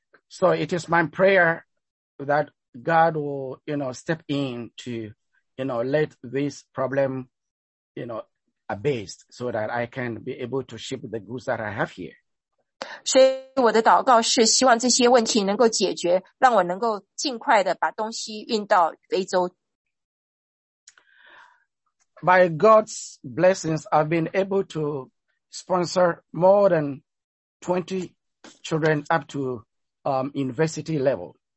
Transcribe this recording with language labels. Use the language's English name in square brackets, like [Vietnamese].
[English] So it is my prayer that God will, you know, step in to, you know, let this problem, you know, abate so that I can be able to ship the goods that I have here. [Chinese] 所以我的祷告是希望这些问题能够解决，让我能够尽快的把东西运到非洲。 [English] By God's blessings, I've been able to sponsor more than 20 children up to university level.